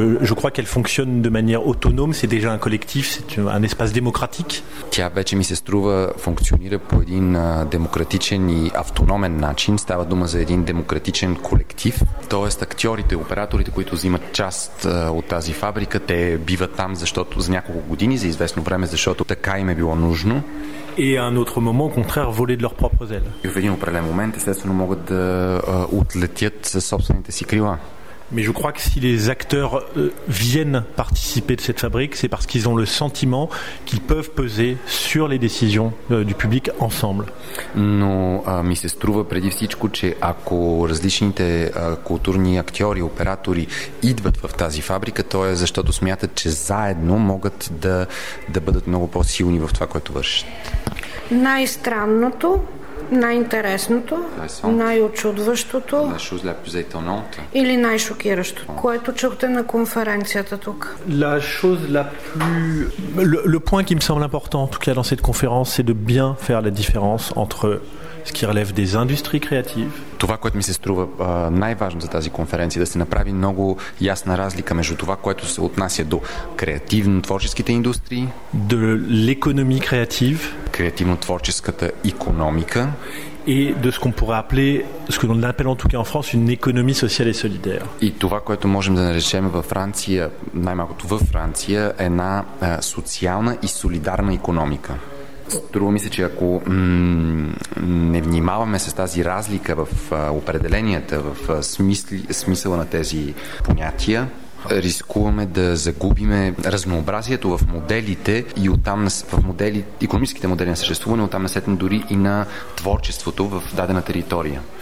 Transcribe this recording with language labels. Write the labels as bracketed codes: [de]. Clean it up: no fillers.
[fr] Je crois qu'elle fonctionne de manière autonome, c'est déjà un collectif, c'est un espace démocratique. [bg] Тя вече ми се струва функционира по един демократичен и автономен начин. Става дума за един демократичен колектив. Тоест актьорите, операторите, които взимат част от тази фабрика, те биват там защото за няколко години, за известно време, защото така им е било нужно. [fr] Et à un autre moment, au contraire, voler de leurs propres ailes. [bg] И в един определен момент, естествено, могат да отлетят със собствените си крила. [fr] Mais je crois que si les acteurs viennent participer de cette fabrique, c'est parce qu'ils ont le sentiment qu'ils peuvent peser sur les décisions du public ensemble. [bg] Но ми се струва преди всичко, че ако различните културни актьори, оператори идват в тази фабрика, то е защото смятат, че заедно могат да бъдат много по-силни в това, което вършат. Най-странното, най-интересното, най-очудващото или най-шокиращото, което чухте на конференцията тук? [fr] La chose la plus le point qui me semble important en tout cas dans cette conférence c'est de bien faire la différence entre ce qui relève des industries créatives. [bg] Това, което ми се струва най-важно за тази конференция, да се направи много ясна разлика между това, което се отнася до креативно-творческите индустрии, [fr] de l'économie créative, [bg] креативно-творческата икономика, [fr] et de ce qu'on pourrait appeler, ce que l'on appelle en tout cas en France, une économie sociale et solidaire. [bg] И това, което можем да наречем във Франция, най-малкото във Франция, една социална и солидарна икономика. Струва ми се, че ако не внимаваме с тази разлика в определенията, в смисъла на тези понятия, рискуваме да загубиме разнообразието в моделите и оттам в модели, икономическите модели на съществуване, оттам насетне дори и на творчеството в дадена територия.